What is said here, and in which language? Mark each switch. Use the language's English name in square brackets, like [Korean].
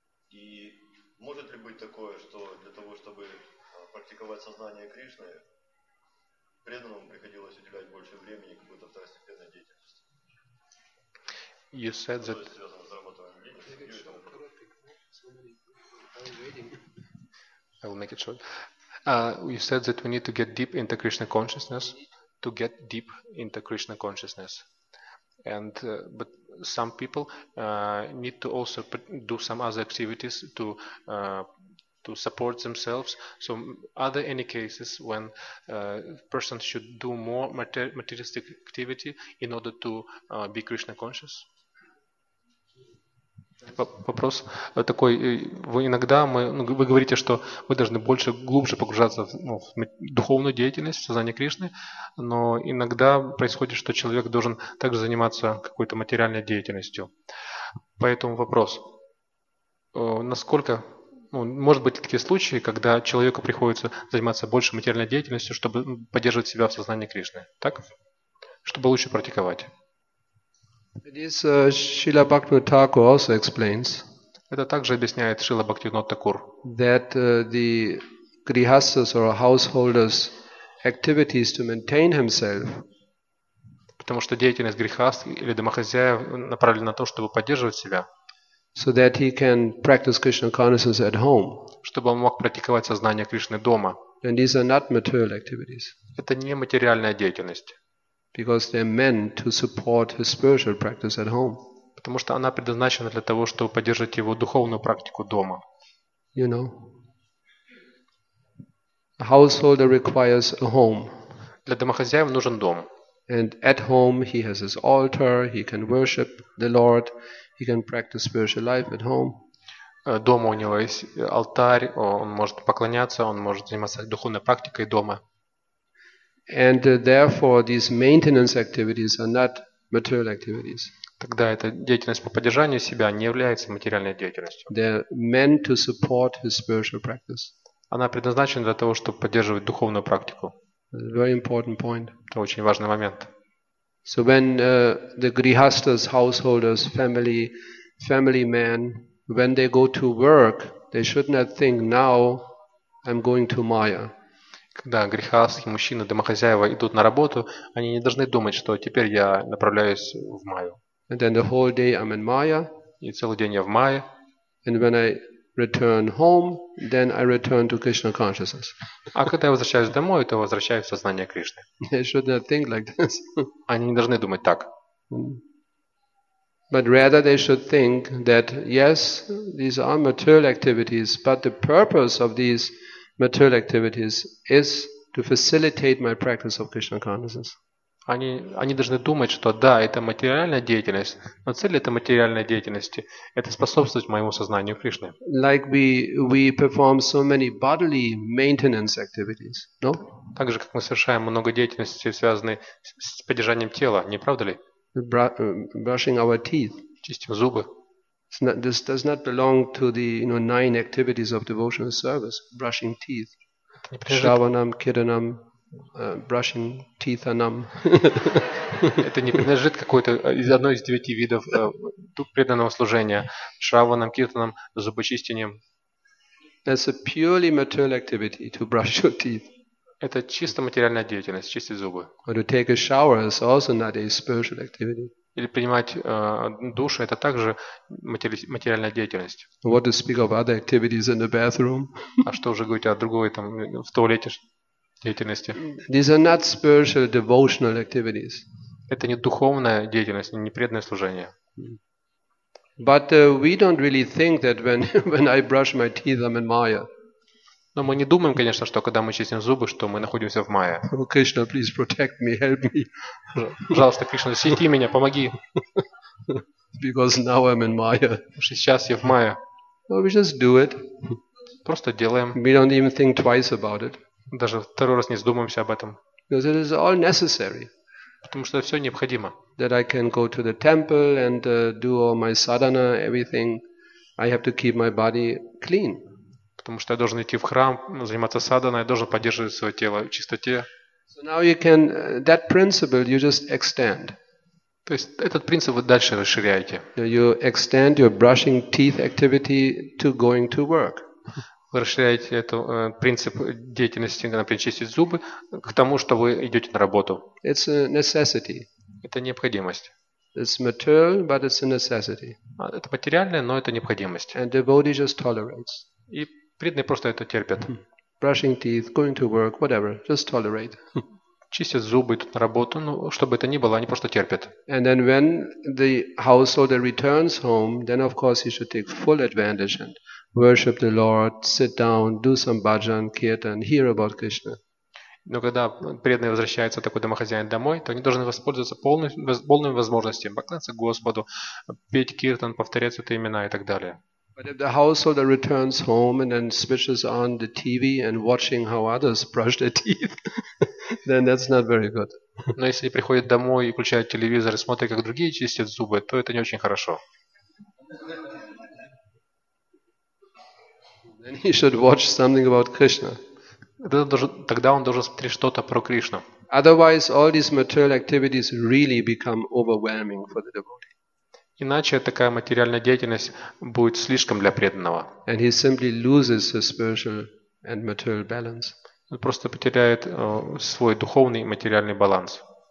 [Russian] И может ли быть такое, что для того, чтобы практиковать сознание Кришны, преданному приходилось уделять больше времени какой-то второстепенной деятельности? [English] You said that... [Russian] То есть связано с зарабатыванием денег. [English] I will make it short. You said that we need to get deep into Krishna consciousness. To get deep into Krishna consciousness, and but some people need to also do some other activities to support themselves. So are there any cases when persons should do more materialistic activity in order to be Krishna conscious? [Russian] Вопрос такой: вы иногда вы говорите, что вы должны больше, глубже погружаться в духовную деятельность, в сознание Кришны, но иногда происходит, что человек должен также заниматься какой-то материальной деятельностью. Поэтому вопрос: насколько, может быть, такие случаи, когда человеку приходится заниматься больше материальной деятельностью, чтобы поддерживать себя в сознании Кришны, так? Чтобы лучше практиковать? [English] This Srila Bhaktivinoda Thakur also explains. [Russian] Это также объясняет Шрила Бхактивинода Тхакур. [English] That the grihasthas or householders' activities to maintain himself. [Russian] Потому что деятельность грихаст или домохозяев направлена на то, чтобы поддерживать себя. [English] So that he can practice Krishna consciousness at home. [Russian] Чтобы он мог практиковать сознание Кришны дома. [English] And these are not material activities. [Russian] Это не материальная деятельность. [English] Because they're meant to support his spiritual practice at home. [Russian] Потому что она предназначена для того, чтобы поддерживать его духовную практику дома. [English] You know, a householder requires a home. [Russian] Для домохозяев нужен дом. [English] And at home he has his altar, he can worship the Lord, he can practice spiritual life at home. [Russian] Дома у него есть алтарь, он может поклоняться, он может заниматься духовной практикой дома. [English] And therefore, these maintenance activities are not material activities. [Russian] Тогда эта деятельность по поддержанию себя не является материальной деятельностью. [English] They're meant to support his spiritual practice. [Russian] Она предназначена для того, чтобы поддерживать духовную практику. [English] Very important point. [Russian] Это очень важный момент. [English] So when the grihasthas, householders, family men, when they go to work, they should not think, now I'm going to Maya. [Russian] Когда грихасхи, мужчины, домохозяева идут на работу, они не должны думать, что теперь я направляюсь в Майю. [English] And then the whole day I'm in Maya. [Russian] И целый день я в Майе. [English] And when I return home, then I return to Krishna consciousness. [Russian] А когда я возвращаюсь домой, то возвращаюсь в сознание Кришны. [English] They should not think like this. [Russian] Они не должны думать так. [English] But rather they should think that yes, these are material activities, but the purpose of these material activities is to facilitate my practice of Krishna consciousness. [Russian] Они должны думать, что да, это материальная деятельность, но цель этой материальной деятельности – это способствовать моему сознанию Кришны. [English] Like we perform so many bodily maintenance activities, no? [Russian] Так же, как мы совершаем много деятельности, связанной с поддержанием тела, не правда ли? [English] Brushing our teeth. [Russian] Чистим зубы. [English] This does not belong to the, you know, nine activities of devotional service: brushing teeth, shravanam, kirtanam, brushing teeth anam. [Russian] Это не принадлежит какой-то из одной из девяти видов преданного служения: шраванам, киртанам, зубочистением. [English] That's a purely material activity to brush your teeth. [Russian] Это чисто материальная деятельность, чистить зубы. [English] Or to take a shower is also not a spiritual activity. [Russian] Или принимать душ, это также материальная деятельность. [English] What to speak of other activities in the bathroom? [Russian] А что уже говорить о другой там в туалете деятельности? [English] These are not spiritual devotional activities. [Russian] Это не духовная деятельность, не преданное служение. [English] But we don't really think that when I brush my teeth, I'm in Maya. [Russian] Но мы не думаем, конечно, что когда мы чистим зубы, что мы находимся в мае. [English] Кришна, please protect me, help me. [Russian] Пожалуйста, Кришна, защити меня, помоги. [English] Because now I'm in Maya. [Russian] Сейчас я в мае. [English] No, we just do it. [Russian] Просто делаем. [English] We don't even think twice about it. [Russian] Даже второй раз не задумываемся об этом. [English] Because it is all necessary. [Russian] Потому что все необходимо. [English] That I can go to the temple and do all my sadhana, everything. I have to keep my body clean. [Russian] Потому что я должен идти в храм, заниматься садханой, я должен поддерживать свое тело в чистоте. [English] So now you can, that principle you just extend. [Russian] То есть этот принцип вы дальше расширяете. [English] You extend your brushing teeth activity to going to work. [Russian] Вы расширяете этот принцип деятельности, например, чистить зубы, к тому, что вы идете на работу. [English] It's a necessity. [Russian] Это необходимость. [English] It's material, but it's a necessity. [Russian] Это материальное, но это необходимость. [English] And devotee just tolerates. [Russian] И преданные просто это терпят. [English] Brushing teeth, going to work, whatever, just tolerate. [Russian] Чистят зубы, идут на работу, ну, что бы это ни было, они просто терпят. [English] And then when the householder returns home, then of course he should take full advantage and worship the Lord, sit down, do some bhajan, kirtan, hear about Krishna. [Russian] Но когда преданный возвращается такой домохозяин домой, то они должны воспользоваться полными возможностями, поклоняться Господу, петь киртан, повторять святые имена и так далее. [English] But if the householder returns home and then switches on the TV and watching how others brush their teeth, then that's not very good. [Russian] Но если приходит домой и включает телевизор и смотрит, как другие чистят зубы, то это не очень хорошо. [English] Then he should watch something about Krishna. [Russian] Тогда он должен смотреть что-то про Кришну. [English] Otherwise, all these material activities really become overwhelming for the devotee. [Russian] Иначе такая материальная деятельность будет слишком для преданного. [English] And he simply loses his spiritual and material balance. [Russian] Он просто потеряет свой духовный и материальный баланс.